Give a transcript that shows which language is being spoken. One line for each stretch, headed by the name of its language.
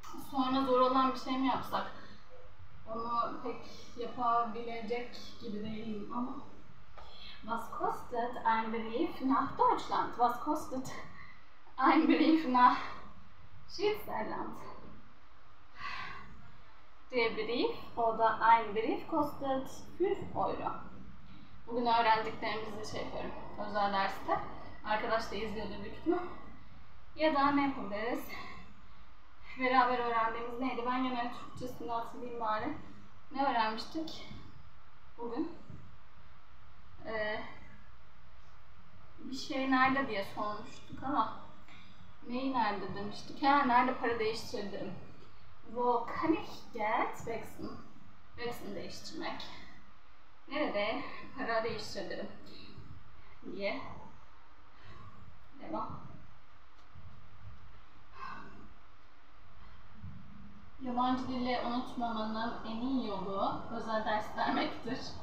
Turkish: Sonra zor olan bir şey mi yapsak? Onu pek yapabilecek gibi değilim ama.
German: Was kostet ein Brief nach Deutschland? Was kostet ein Brief nach Schweizerland? Der Brief oder ein Brief kostet 5 Euro.
Turkish: Bugün öğrendiklerimizi şey yapıyorum. Özel derste. Arkadaş da izliyordu büyük ihtimal. Ya da ne yapabiliriz? Beraber öğrendiğimiz neydi? Ben yine Türkçesini hatırlayayım bari. Ne öğrenmiştik bugün? Bir şey nerede diye sormuştuk ama neyi nerede demiştik? Ha, nerede para değiştirdim?
German: Wo kann ich Geld wechseln?
Turkish: Wechseln değiştirmek. Nerede para değiştirebilirim diye. Devam. Yabancı dili unutmamanın en iyi yolu özel ders vermektir.